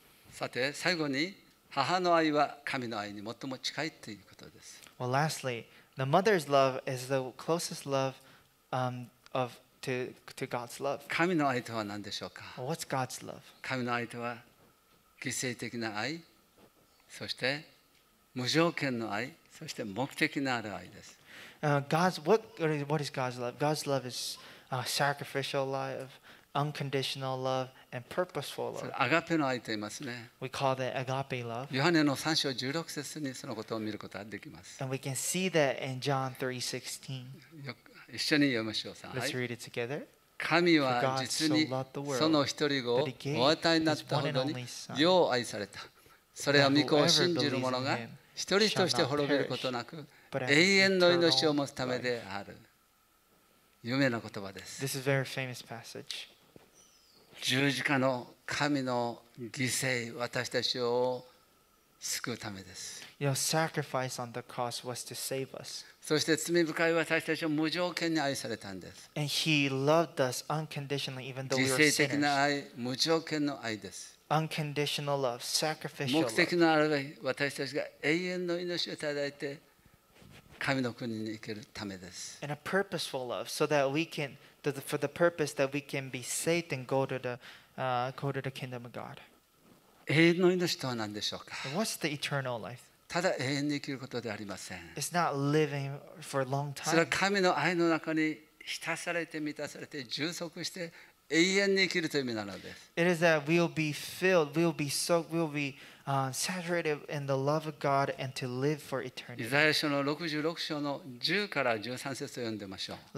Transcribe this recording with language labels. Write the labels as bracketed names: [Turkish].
[Japanese] さて、最後に母の愛は神の愛に最も近いということです。 [English] Well, lastly, the mother's love is the closest love to God's love. [Japanese] 神の愛とは何でしょうか? [English] What's God's love? [Japanese] 神の愛とは犠牲的な愛、そして無条件の愛、そして目的のある愛です。 [English] What is God's love? God's love is sacrificial love, unconditional love, and purposeful love. [Japanese] アガペの愛と言いますね。 [English] We call that agape love. [Japanese] ヨハネの3章16節にそのことを見ることができます。 [English] And we can see that in John 3:16. [Japanese] 一緒に読みましょう。はい。 [English] Let's read it together. [Japanese] 神は実にその一人子をお与えになったほどによう愛された。それは御子を信じる者が一人として滅びることなく永遠の命を持つためである。有名な言葉です。 [English] This is a very famous passage. [Japanese] 十字架の神の犠牲、私たちを救うためです。 [English] Your sacrifice on the cross was to save us. [Japanese] そして罪深い私たちを無条件に愛されたんです。 [English] And he loved us unconditionally, even though we were sinners. [Japanese] 犠牲的な愛、無条件の愛です。 [English] Unconditional love, sacrificial love. [Japanese] 目的のある愛、私たちが永遠の命をいただいて神の国に行けるためです。 [English] And a purposeful love, so that we can, for the purpose that we can be saved and go to the kingdom of God. [Japanese] 永遠の命とは何でしょうか? [English] What's the eternal life? [Japanese] ただ永遠に生きることではありません。 [English] It's not living for a long time. [Japanese] それは神の愛の中に浸されて満たされて充足して永遠に生きるという意味なのです。 [English] It is that we will be filled, we will be soaked, we will be saturated in the love of God and to live for eternity. [Japanese] イザヤ書の66章の10から13節を読んでましょう。